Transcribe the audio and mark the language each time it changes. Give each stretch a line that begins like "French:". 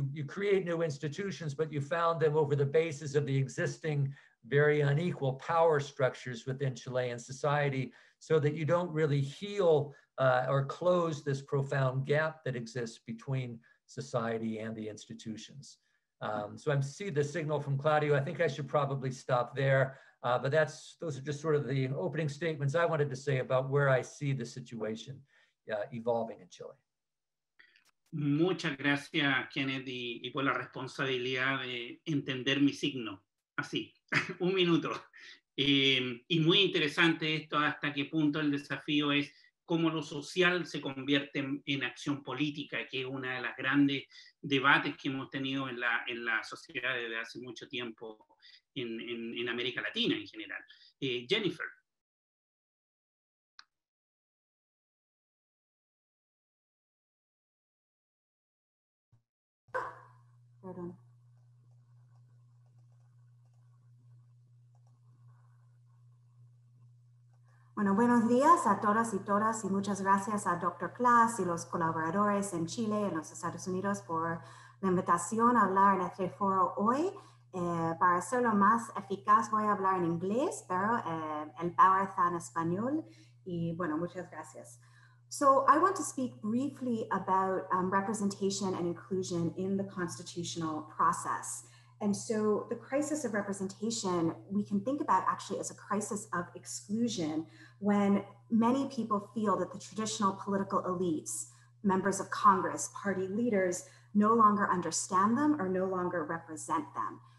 English: You create new institutions, but you found them over the basis of the existing very unequal power structures within Chilean society, so that you don't really heal or close this profound gap that exists between society and the institutions. So I see the signal from Claudio. I think I should probably stop there, but those are just sort of the opening statements I wanted to say about where I see the situation evolving in Chile.
Spanish: Muchas gracias, Kennedy, y por la responsabilidad de entender mi signo. Así, un minuto. Y muy interesante esto, hasta qué punto el desafío es cómo lo social se convierte en acción política, que es uno de los grandes debates que hemos tenido en la sociedad desde hace mucho tiempo en América Latina en general. Jennifer. Bueno, buenos días a todas y todas y muchas gracias a Dr. Klass y los colaboradores en Chile y en los Estados Unidos por la invitación a hablar en este foro hoy. Para hacerlo más eficaz voy a hablar en inglés, pero el power está en español y bueno, muchas gracias.
English: So I want to speak briefly about representation and inclusion in the constitutional process. And so the crisis of representation, we can think about actually as a crisis of exclusion when many people feel that the traditional political elites, members of Congress, party leaders, no longer understand them or no longer represent them.